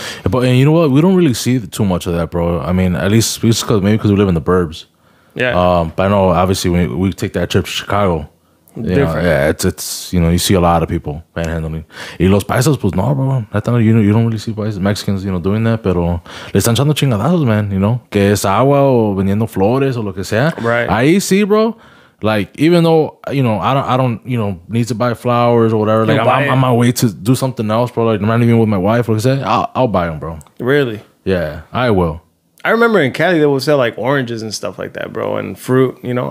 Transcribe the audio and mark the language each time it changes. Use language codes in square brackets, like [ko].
[en] But and you know what, we don't really see too much of that, bro. I mean, at least because we live in the burbs. Yeah. But I know obviously when we take that trip to Chicago, it's you know, you see a lot of people panhandling. [es] Y los paisas, pues no, [en] bro. You don't really see paisas, Mexicans, you know, doing that. [es] Pero le están echando chingadazos, man. [en] You know, [es] que es agua o vendiendo flores o lo que sea. [en] Right. [es] Ahí sí, bro. [en] Like, even though, you know, I don't, you know, need to buy flowers or whatever. Like, I'm on my way to do something else, bro. Like, I'm not even with my wife. Like I said, I'll buy them, bro. Really? Yeah, I will. I remember in Cali, they would sell, like, oranges and stuff like that, bro. And fruit, you know.